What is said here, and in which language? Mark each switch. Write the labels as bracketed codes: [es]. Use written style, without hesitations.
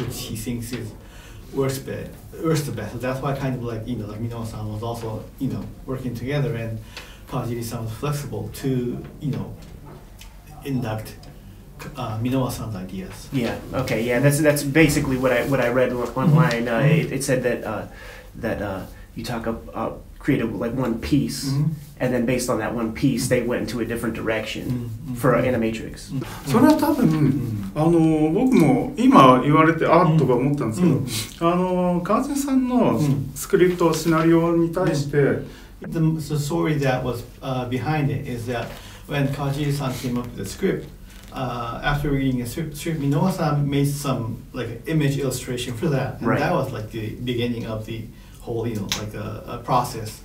[en] which he thinks is works the best. So that's why kind of like, you know, like Minosan was also, you know, working together, and Kawajiri-san was flexible to, you know, induct Minowa-san's ideas. Yeah. Okay. Yeah. That's basically what I read online. Mm-hmm. It said that you talk about created like one piece, mm-hmm. and then based on that one piece, they went into a different direction mm-hmm. for mm-hmm. Animatrix. [ja] それは多分、あの、僕も今言われて、あっとか思ったんですけど、あの、川瀬さんのスクリプト、シナリオに対して、 [en] The story that was behind it is that when Kawajiri-san came up with the script, after reading the script, Minowa-san made some like image illustration for that, and right. that was like the beginning of the whole, you know, like a process.